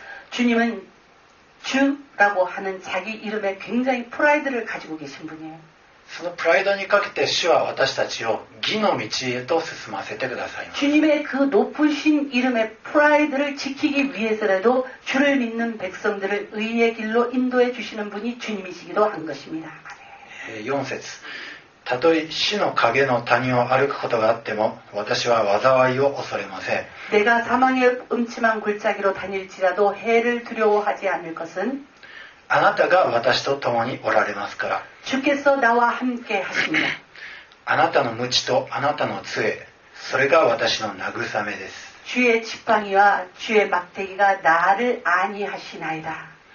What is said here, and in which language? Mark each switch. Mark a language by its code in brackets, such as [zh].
[ko] 주님은 주라고 하는 자기 이름에 굉장히 프라이드를 가지고 계신 분이에요. [ja] そのプライドにかけて主は私たちを義の道へと進ませてくださいます。 [ko] 주님의 그 높으신 이름의 프라이드를 지키기 위해서라도 주를 믿는 백성들을 의의 길로 인도해 주시는 분이 주님이시기도 한 것입니다. [ja] 4節たとえ死の影の谷を歩くことがあっても私は災いを恐れません。 [ko] 내가 사망의 음침한 골짜기로 다닐지라도 해를 두려워하지 않을 것은 [ja] あなたが私と共におられますから。 [ko] 주께서 나와 함께 하십니다. [ja] あなたの鞭とあなたの杖それが私の慰めです。 [ko] 주의 지팡이와 주의 막대기가 나를 안위하시나이다.